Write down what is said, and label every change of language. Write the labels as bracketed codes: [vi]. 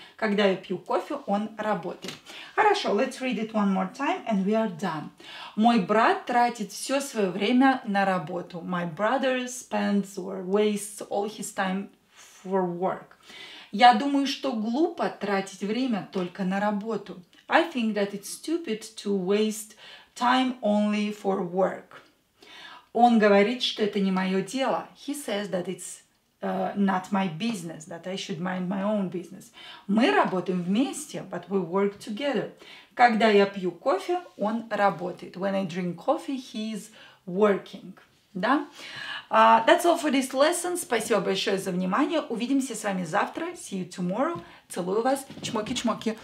[ru] Когда я пью кофе, он работает. [en] Хорошо, let's read it one more time and we are done. [ru] Мой брат тратит все свое время на работу. [en] My brother spends or wastes all his time for work. [ru] Я думаю, что глупо тратить время только на работу. [en] I think that it's stupid to waste time only for work. [ru] Он говорит, что это не мое дело. [en] He says that it's not my business, that I should mind my own business. [ru] Мы работаем вместе, [en] but we work together. [ru] Когда я пью кофе, он работает. [en] When I drink coffee, he is working. Да? That's all for this lesson. [ru] Спасибо большое за внимание. Увидимся с вами завтра. [en] See you tomorrow. [ru] Целую вас. Чмоки-чмоки.